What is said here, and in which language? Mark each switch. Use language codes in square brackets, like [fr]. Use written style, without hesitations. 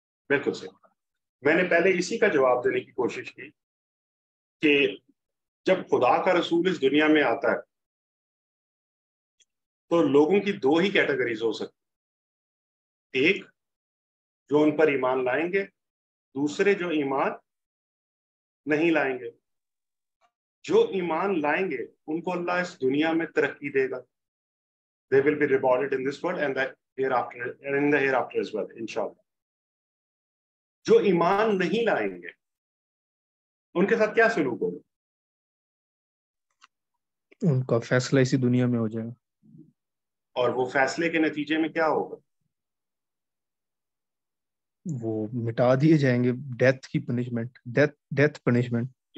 [ur] بالکل صحیح, میں نے پہلے اسی کا جواب دینے کی کوشش کی کہ جب خدا کا رسول اس دنیا میں آتا ہے تو لوگوں کی دو ہی کیٹیگریز ہو سکتی, ایک جو ان پر ایمان لائیں گے, دوسرے جو ایمان نہیں لائیں گے. جو ایمان لائیں گے ان کو اللہ اس دنیا میں ترقی دے گا, [en] they will be rewarded in this world and hereafter, in the hereafter as well inshallah. [ur] جو ایمان نہیں لائیں گے ان کے ساتھ کیا سلوک ہوگا؟ ان کا فیصلہ اسی دنیا میں ہو جائے گا, اور وہ فیصلے کے نتیجے میں کیا ہوگا؟ وہ مٹا دیے جائیں گے, ڈیتھ کی پنشمنٹ, ڈیتھ پنشمنٹ.